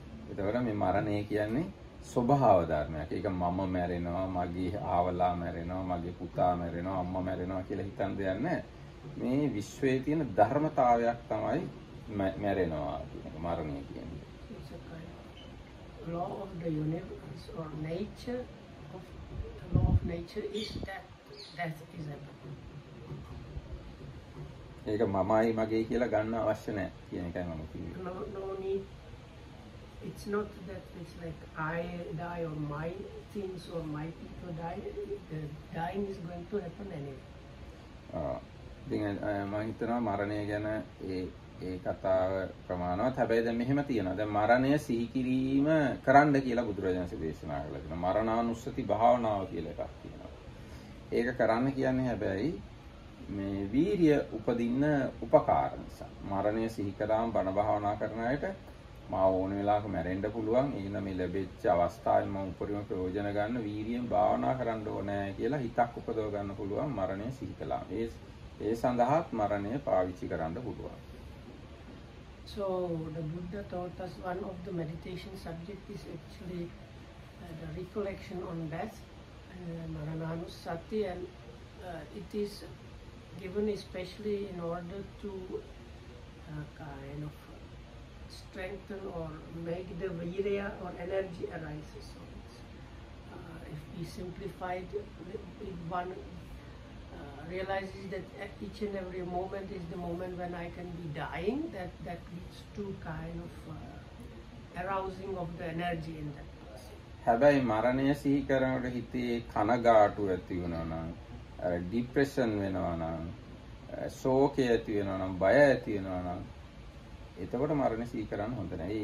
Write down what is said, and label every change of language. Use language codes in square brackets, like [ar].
[si] එතකොට මේ මරණය කියන්නේ ස්වභාව ධර්මයක්. ඒක මම මැරෙනවා, මගේ ආවලා මැරෙනවා, මගේ පුතා මැරෙනවා, අම්මා මැරෙනවා කියලා හිතන දෙයක් නැහැ. මේ විශ්වයේ තියෙන ධර්මතාවයක් තමයි මැරෙනවා කියන එක මරණය කියන්නේ. [en] Law of the universe or nature, the law of nature is that death is inevitable. [si] ඒක මමයි මගේ කියලා ගන්න අවශ්‍ය නැහැ කියන එකයි මම කියන්නේ. [en] It's not that it's like I die or my things or my people die. The dying is going to happen anyway. [si] මම හිතනවා මරණය ගැන ඒ කතාව ප්‍රමාණවත්. හැබැයි දැන් මෙහෙම තියෙනවා. දැන් මරණය සිහි කිරීම කරන්න කියලා බුදුරජාණන්සේ දේශනා කළා කියලා. මරණානුස්සති භාවනාව කියලා එකක් තියෙනවා. ඒක කරන්න කියන්නේ හැබැයි මේ වීරිය උපදින්න උපකාර නිසා. මරණය සිහි කරාම බණ භාවනා කරන අයට මා ඕන වෙලාවක මැරෙන්න පුළුවන්. එහෙනම් මේ ලැබෙච්ච අවස්ථාවෙන් මම උපරිම ප්‍රයෝජන ගන්න වීරියෙන් භාවනා කරන්න ඕනේ කියලා හිතක් උපදව ගන්න පුළුවන් මරණය සිහි කළාම. ඒ සඳහාත් මරණය පාවිච්චි කරන්න පුළුවන්. [en] So the Buddha taught us one of the meditation subject is actually the recollection on death, Maranānusati, and it is given especially in order to kind of strengthen or make the virya or energy arise. So if we simplify it, if one realizes that each and every moment is the moment when I can be dying, that leads to kind of arousing of the energy in that person. [si] හැබැයි මරණය සිහි කරනකොට හිතේ කනගාටු ඇති වෙනවා නම්, depression වෙනවා නම්, ශෝකය ඇති වෙනවා නම්, බය ඇති වෙනවා නම්, එතකොට මරණය සිහි කරන්න හොඳ නැහැ.